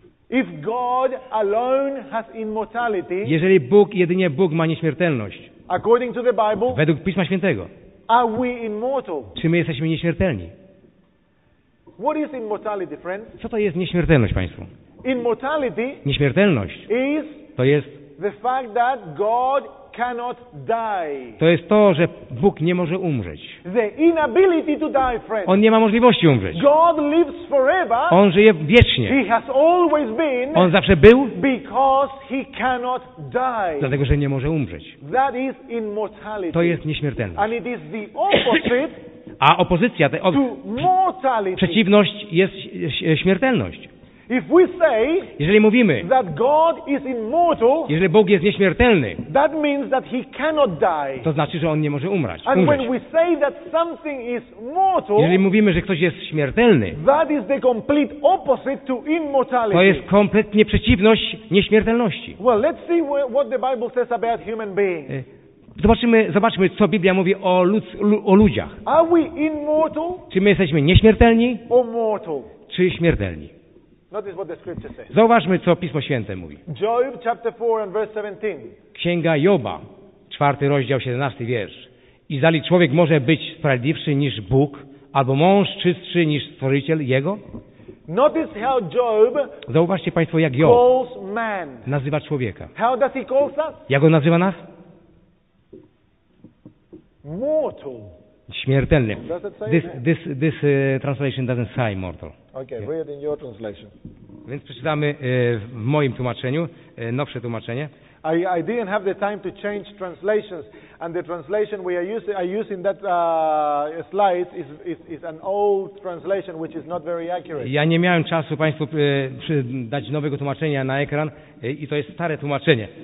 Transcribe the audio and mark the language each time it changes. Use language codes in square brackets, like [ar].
[en] If God alone has immortality, [pl] jeżeli Bóg, jedynie Bóg ma nieśmiertelność, [en] according to the Bible, [pl] według Pisma Świętego, [en] are we immortal? [pl] Czy my jesteśmy nieśmiertelni? [en] What is immortality, friends? [pl] Co to jest nieśmiertelność, Państwu? [en] Immortality, [pl] nieśmiertelność, [en] is [pl] to jest [en] the fact that God cannot die. [pl] To jest to, że Bóg nie może umrzeć. [en] The inability to die, friends. [pl] On nie ma możliwości umrzeć. [en] God lives forever. [pl] On żyje wiecznie. [en] He has always been. [pl] On zawsze był. [en] Because he cannot die. [pl] Dlatego, że nie może umrzeć. [en] That is immortality. [pl] To jest nieśmiertelność. [en] And it is the opposite. [pl] A opozycja, przeciwność jest śmiertelność. [en] If we say, [pl] jeżeli mówimy, [en] that God is immortal, [pl] jeżeli Bóg jest nieśmiertelny, [en] that means that he cannot die. [pl] To znaczy, że On nie może umrzeć. [en] And when we say that something is mortal, [pl] jeżeli mówimy, że ktoś jest śmiertelny, [en] that is the complete opposite to immortality. [pl] To jest kompletnie przeciwność nieśmiertelności. [en] Well, let's see what the Bible says about human beings. [pl] Zobaczmy, co Biblia mówi o ludziach. [en] Are we immortal? [pl] Czy my jesteśmy nieśmiertelni? [en] Or mortal? [pl] Czy śmiertelni? [en] Notice what the scripture says. [pl] Zauważmy, co Pismo Święte mówi. [en] Job, chapter 4 and verse 17. [pl] Księga Joba, 4 rozdział, 17 wiersz. I zali człowiek może być sprawiedliwszy niż Bóg, albo mąż czystszy niż Stworzyciel Jego? [en] Notice how Job, [pl] zauważcie Państwo, jak Job [en] calls man. [pl] Nazywa człowieka. [en] How does he call us? [pl] Jak on nazywa nas? [en] Mortal. [pl] Śmiertelny. [en] Does it say this translation doesn't say mortal. Okay, yeah. Read in your translation. [pl] Więc przeczytamy w moim tłumaczeniu, nowsze tłumaczenie. [en] I didn't have the time to change translations, and the translation we are using, I use in that slide is an old translation which is not very accurate. [pl] Ja nie miałem czasu Państwu dać nowego tłumaczenia na ekran i to jest stare tłumaczenie.